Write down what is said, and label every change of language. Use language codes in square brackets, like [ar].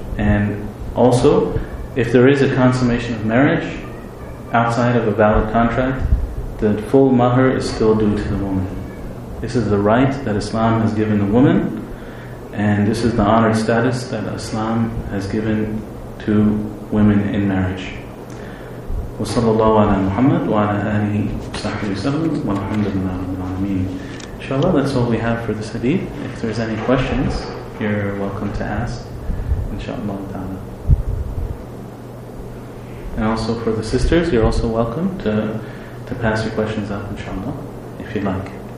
[en] And also, if there is a consummation of marriage outside of a valid contract, the full mahr is still due to the woman. This is the right that Islam has given the woman, and this is the honored status that Islam has given to women in marriage. [ar] وصلى الله على محمد وعلى آله وصحبه وسلم والحمد لله رب العالمين. [en] Inshallah, that's all we have for this hadith. If there's any questions, you're welcome to ask. Inshallah ta'ala. And also for the sisters, you're also welcome to pass your questions up, inshallah, if you'd like.